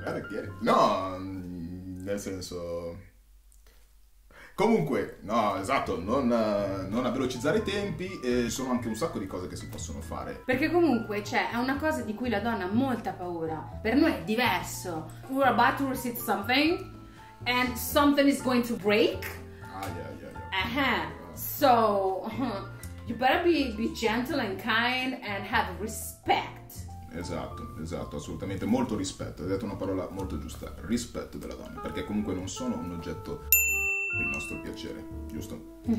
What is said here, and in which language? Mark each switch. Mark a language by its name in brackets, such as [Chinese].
[English] get it. [Italian] No, nel senso... comunque, no, esatto, non a velocizzare i tempi, e sono anche un sacco di cose che si possono fare. Perché comunque, cioè, è una cosa di cui la donna ha molta paura. Per noi è diverso. [English] We're about to receive something and something is going to break. Ah, yeah. So... You better be gentle and kind and have respect. [Italian] Esatto, assolutamente. Molto rispetto. Hai detto una parola molto giusta. Rispetto della donna. Perché comunque non sono un oggetto del nostro piacere, giusto?